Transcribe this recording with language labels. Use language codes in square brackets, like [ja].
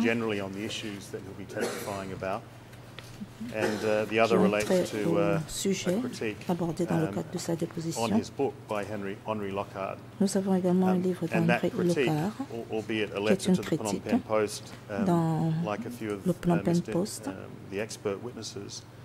[en] generally on the issues that he'll be testifying about, and the other relates to [fr] sujet abordé dans le cadre de sa déposition. [en] On his book by Henry Lockhart. [fr] Nous avons également un livre d'Henri Lockhart, [en] albeit a letter to the Phnom Penh Post, like a few of the expert witnesses.